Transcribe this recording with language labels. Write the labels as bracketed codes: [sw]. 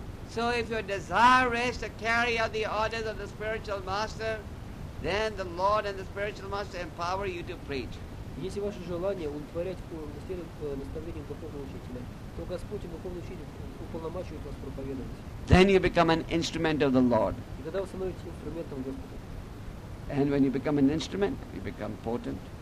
[en] So if your desire is to carry out the orders of the spiritual master, then the Lord and the spiritual master empower you to preach. [ru] Если ваше желание удовлетворять наставлениям духовного учителя, то Господь и духовный учитель уполномачивают вас проповедовать. [en] Then you become an instrument of the Lord. [ru] И тогда вы становитесь инструментом Господа. [en] And when you become an instrument, you become potent.